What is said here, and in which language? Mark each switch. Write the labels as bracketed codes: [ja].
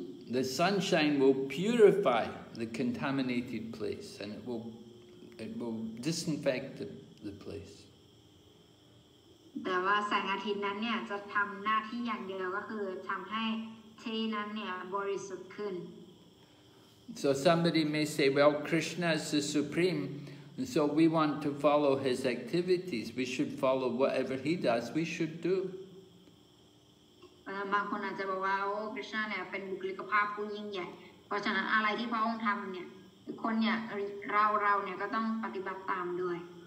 [en] The sunshine will purify the contaminated place and it will disinfect the place. [th] แต่ว่าแสงอาทิตย์นั้นเนี่ยจะทำหน้าที่อย่างเดียวก็คือทำให้ที่นั้นเนี่ยบริสุทธิ์ขึ้น [en] So somebody may say, well, Krishna is the supreme, and so we want to follow his activities. We should follow whatever he does. We should do. [th] บางคนอาจจะบอกว่าโอ้ Krishna เนี่ยเป็นบุคลิกภาพผู้ยิ่งใหญ่เพราะฉะนั้นอะไรที่พระองค์ทำเนี่ยคนเนี่ยเราเนี่ยก็ต้องปฏิบัติตามด้วย